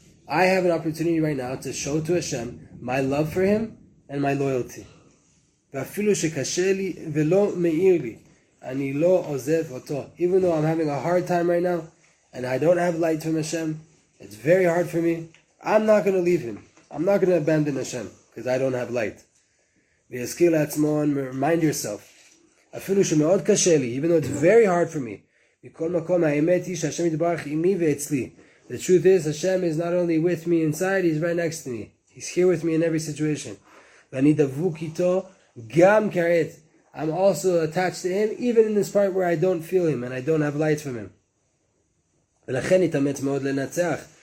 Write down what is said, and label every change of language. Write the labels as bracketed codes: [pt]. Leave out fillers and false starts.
[en] I have an opportunity right now to show to Hashem my love for Him and my loyalty. [he] V'afilu shekashe li ve'lo me'ir li. אני לא עוזב אותו. [en] Even though I'm having a hard time right now, and I don't have light from Hashem, it's very hard for me, I'm not going to leave Him. I'm not going to abandon Hashem, because I don't have light. [he] ויזכיר לעצמו, [en] and remind yourself, [he] אפילו שמאוד קשה לי, [en] even though it's very hard for me, [he] מכל מקום האמת היא שהשם יתברך עמי ואצלי. [en] The truth is, Hashem is not only with me inside, He's right next to me. He's here with me in every situation. [he] ואני דבוק איתו גם כעת. [en] I'm also attached to Him, even in this part where I don't feel Him and I don't have light from Him. [he] ולכן יתאמץ מאוד לנצח.